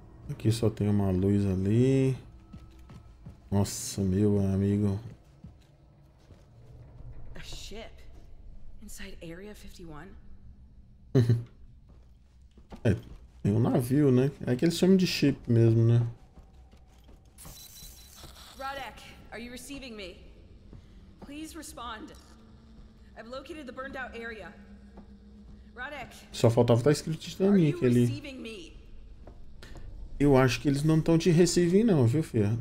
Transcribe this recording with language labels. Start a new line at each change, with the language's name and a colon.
Portuguese: Aqui só tem uma luz ali. Nossa, meu amigo.
English: A ship inside Area 51.
Portuguese: É, tem um navio, né? É que eles chamam de ship mesmo, né?
English: Radek, are you receiving me? Please respond. I've located the burned out area.
Portuguese: Só faltava estar escrito isso na minha, que ele... Eu acho que eles não estão te recebendo não, viu, filha?